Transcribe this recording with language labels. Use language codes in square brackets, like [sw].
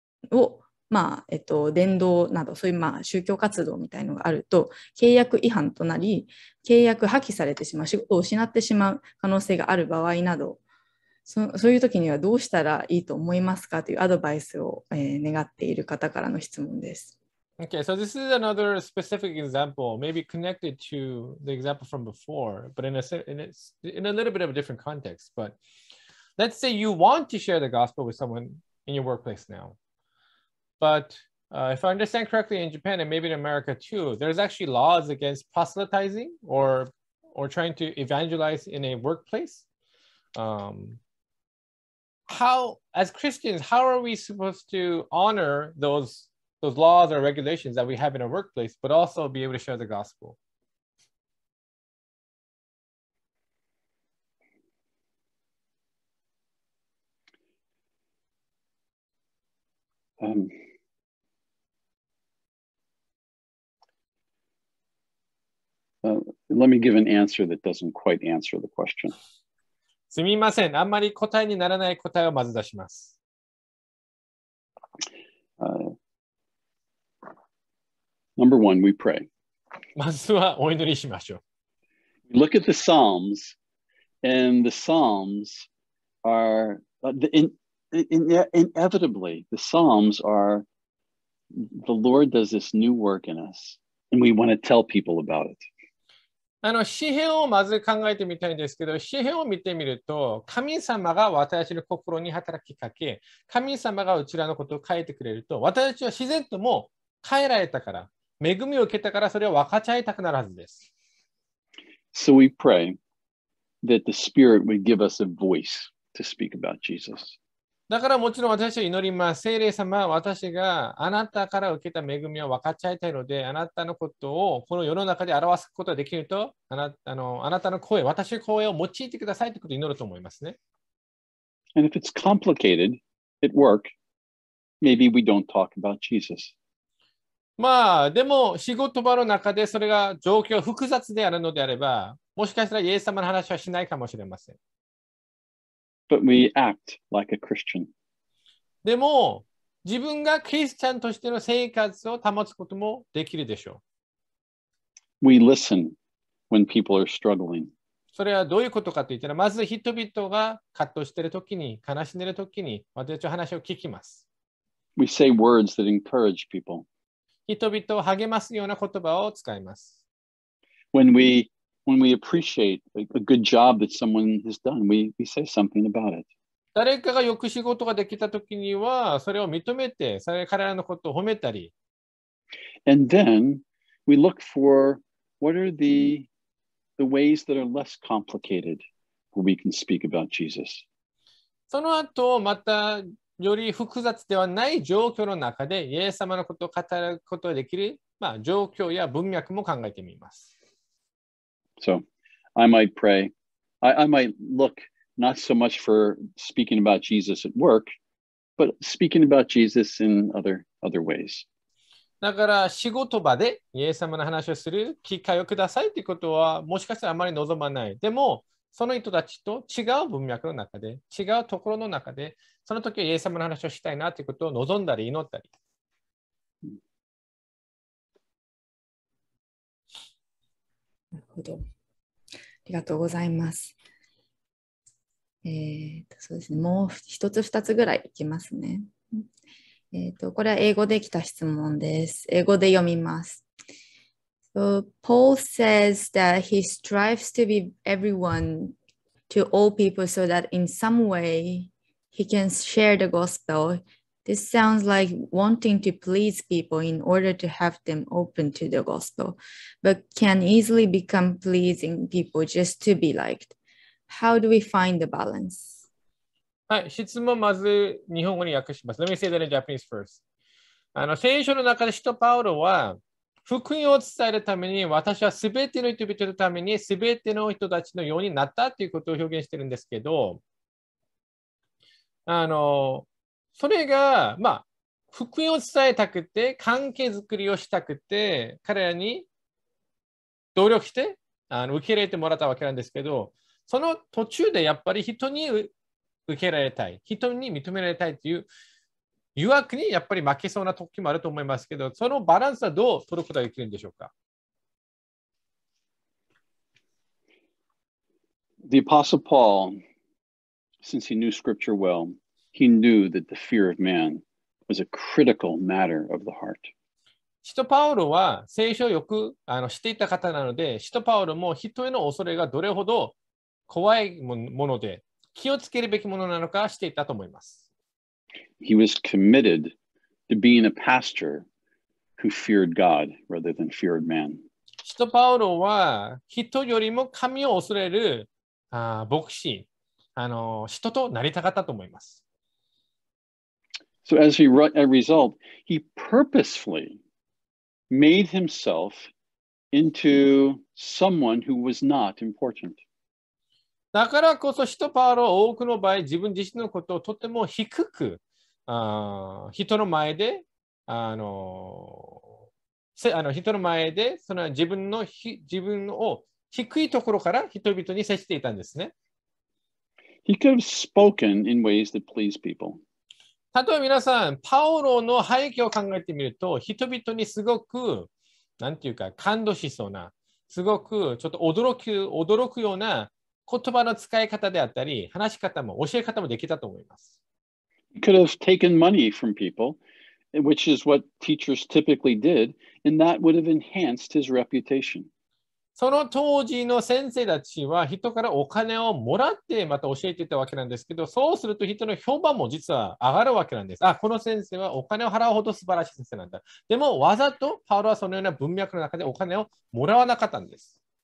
[ja] を、まあ伝道など、そういうまあ宗教活動みたいのがあると、契約違反となり、契約破棄されてしまう、仕事を失ってしまう可能性がある場合など、そういう時にはどうしたらいいと思いますかというアドバイスを、願っている方からの質問です。 [en] Okay, so this is another specific example, maybe connected to the example from before, but in a little bit of a different context. But let's say you want to share the gospel with someone in your workplace now. But if I understand correctly, in Japan and maybe in America too, there's actually laws against proselytizing or trying to evangelize in a workplace. How, as Christians, how are we supposed to honor those laws or regulations that we have in our workplace, but also be able to share the gospel. Let me give an answer that doesn't quite answer the question. [ja] すみません。あんまり答えにならない答えをまず出します。 [en] Number one, we pray. [ja] まずはお祈りしましょう。 [en] We look at the Psalms, and the Psalms are inevitably the Psalms are the Lord does this new work in us, and we want to tell people about it. [ja] 詩編をまず考えてみたいんですけど、詩編を見てみると、神様が私の心に働きかけ、神様がうちらのことを変えてくれると、私は自然とも変えられたから、恵みを受けたから、それを分かち合いたくなるはずです。 [en] So we pray that the Spirit would give us a voice to speak about Jesus. [ja] だからもちろん私は祈ります。聖霊様、私があなたから受けた恵みを分かち合いたいので、あなたのことをこの世の中で表すことができると、あなたの声、私の声を用いてくださいということを祈ると思いますね。 [en] And if it's complicated at work, maybe we don't talk about Jesus. [ja] まあ、でも仕事場の中でそれが状況複雑であるのであれば、もしかしたらイエス様の話はしないかもしれません。 [en] But we act like a Christian. [ja] でも、自分がクリスチャンとしての生活を保つこともできるでしょう。 [en] We listen when people are struggling. [ja] それはどういうことかといったら、まず人々が葛藤しているときに、悲しんでいるときに、私たちの話を聞きます。 [en] We say words that encourage people. [ja] 人々を励ますような言葉を使います。 [en] When we appreciate a good job that someone has done, we say something about it. [ja] 誰かがよく仕事ができたときには、それを認めて、それ彼らのことを褒めたり。 [en] And then we look for what are the ways that are less complicated where we can speak about Jesus. [ja] その後、またより複雑ではない状況の中で、イエス様のことを語ることができる、まあ、状況や文脈も考えてみます。 [en] So I might pray. I might look not so much for speaking about Jesus at work, but speaking about Jesus in other ways. [ja] だから仕事場でイエス様の話をする機会をくださいということはもしかしたらあまり望まない。でもその人たちと違う文脈の中で、違うところの中で、その時はイエス様の話をしたいなということを望んだり祈ったり。なるほど。ありがとうございます。そうですね。もう一つ二つぐらいいきますね。これは英語で来た質問です。英語で読みます。 [en] So, Paul says that he strives to be everyone to all people so that in some way he can share the gospel. This sounds like wanting to please people in order to have them open to the gospel, but can easily become pleasing people just to be liked. How do we find the balance? [ja] はい、質問まず日本語に訳します。 [en] Let me say that in Japanese first. [ja] 聖書の中で使徒パウロは、福音を伝えるために私はすべての人々のためにすべての人たちのようになったということを表現しているんですけど、それが、まあ、福音を伝えたくて、関係づくりをしたくて、彼らに努力して受け入れてもらったわけなんですけど、その途中でやっぱり人に受け入れられたい、人に認められたいという誘惑にやっぱり負けそうな時もあると思いますけど、そのバランスはどう取ることができるんでしょうか。 [en] The Apostle Paul, since he knew Scripture well,He knew that the fear of man was a critical matter of the heart. [ja] 使徒パウロは聖書をよく知っていた方なので、使徒パウロも人への恐れがどれほど怖いもので、気をつけるべきものなのか知っていたと思います。 [en] He was committed to being a pastor who feared God rather than feared man. [ja] 使徒パウロは人よりも神を恐れる牧師、人となりたかったと思います。 [en] So as a result, he purposefully made himself into someone who was not important. [ja] だからこそ使徒パウロは多くの場合自分自身のことをとても低く、人の前で、人の前でその自分を低いところから人々に接していたんですね。 [en] He could have spoken in ways that pleased people. [ja] 例えば皆さん、パウロの背景を考えてみると、人々にすごくなんていうか感動しそうな、すごくちょっと驚くような言葉の使い方であったり、話し方も教え方もできたと思います。 [en] You could have taken money from people, which is what teachers typically did, and that would have enhanced his reputation. [ja] その当時の先生たちは人からお金をもらってまた教えていたわけなんですけど、そうすると人の評判も実は上がるわけなんです。あ、この先生はお金を払うほど素晴らしい先生なんだ。でもわざとパウロはそのような文脈の中でお金をもらわなかったんです。